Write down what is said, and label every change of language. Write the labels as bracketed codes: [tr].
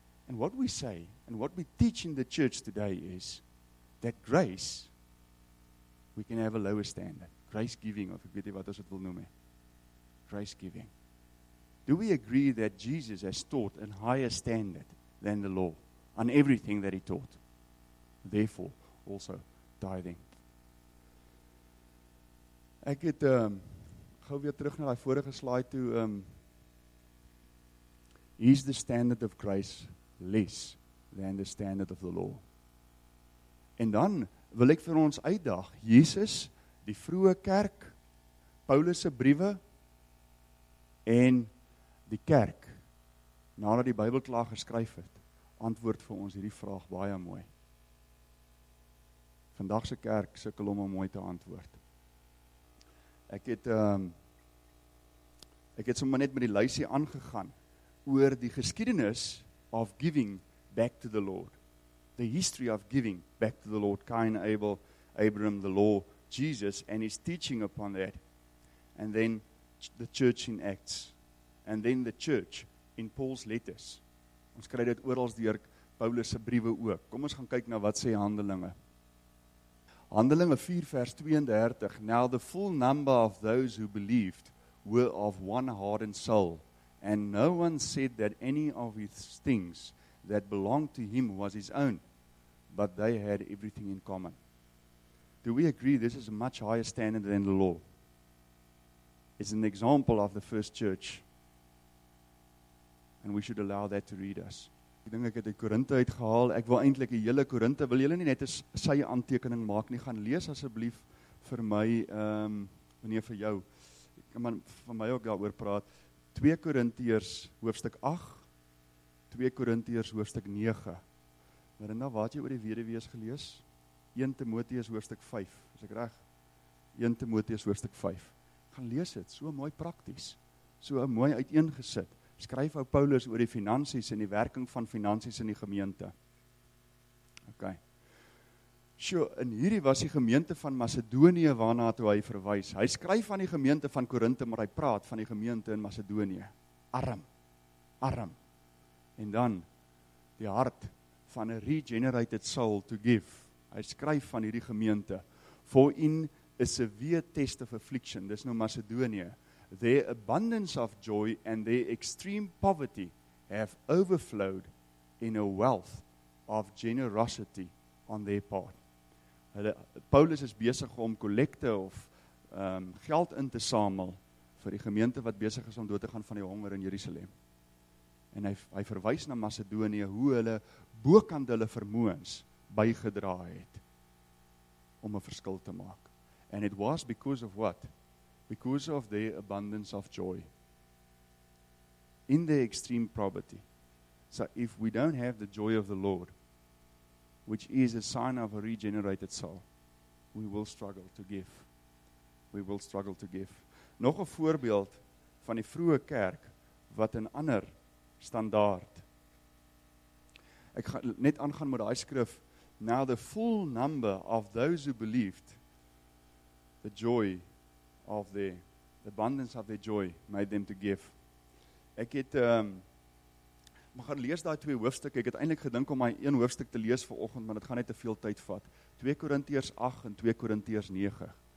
[en] And what we say, and what we teach in the church today is, that grace, we can have a lower standard. Grace giving, [af] of ek weet nie wat ons het wil noem. [en] Grace giving. Do we agree that Jesus has taught a higher standard than the law on everything that he taught? Therefore, also tithing. [af] Ek het, gou weer terug na die vorige slide toe, [en] is the standard of grace less than the standard of the law. [af] En dan wil ek vir ons uitdag, Jesus, die vroeë kerk, Paulus se briewe en die kerk, nadat die Bybel klaar geskryf het, antwoord vir ons hierdie vraag baie mooi. Vandag se kerk sukkel om mooi te antwoord. Ek het sommer net met die lysie aangegaan oor die geskiedenis of [en] giving back to the Lord. The history of giving back to the Lord, Cain, Abel, Abraham, the law, Jesus, and his teaching upon that. And then the church in Acts. And then the church in Paul's letters. [af] Ons kry dit oral deur Paulus se briewe ook. Kom ons gaan kyk na wat sê Handelinge. Handelinge 4 vers 32. [en] Now the full number of those who believed were of one heart and soul. And no one said that any of his things that belonged to him was his own, but they had everything in common. Do we agree this is a much higher standard than the law? It's an example of the first church. And we should allow that to read us. [af] Ek dink ek het die Korinte uitgehaal. Ek wil eintlik die hele Korinte, wil julle nie net 'n sy aantekening maak nie, gaan lees asseblief vir my, meneer vir jou. Ek kan maar van my ook daaroor praat. 2 Korintiërs hoofstuk 8, 2 Korintiërs hoofstuk 9. Marina, waar het jy oor die weduwees gelees? 1 Timoteus hoofstuk 5, is ek reg? 1 Timoteus hoofstuk 5. Gaan lees dit, so mooi prakties, so mooi uiteengesit. Skryf ou Paulus oor die finansies en die werking van finansies in die gemeente. Ok. So, in hierdie was die gemeente van Macedonië waarna toe hy verwys. Hy skryf aan die gemeente van Korinthe, maar hy praat van die gemeente in Macedonië. Arm, arm. En dan, die hart van [en] a regenerated soul to give. [af] Hy skryf van hierdie gemeente. [en] For in a severe test of affliction, [af] dis nou [en] Macedonië, their abundance of joy and their extreme poverty have overflowed in a wealth of generosity on their part. [af] Paulus is besig om kollekte of geld in te samel vir die gemeente wat besig is om dood te gaan van die honger in Jerusalem. En hy verwys na Macedonië hoe hulle bokant hulle vermoëns bygedra het om 'n verskil te maak. [en] And it was because of what? Because of their abundance of joy. In their extreme poverty. So if we don't have the joy of the Lord, which is a sign of a regenerated soul, we will struggle to give. We will struggle to give. [af] Nog 'n voorbeeld van die vroeë kerk wat 'n ander standaard. Ek gaan net aangaan met daai skrif. [en] Now the full number of those who believed, the joy of the abundance of their joy made them to give. [af] Ek het maar gaan lees daai twee hoofstukke. Ek het eintlik gedink om my een hoofstuk te lees vanoggend, maar dit gaan net te veel tyd vat. 2 Korintiërs 8 en 2 Korintiërs 9.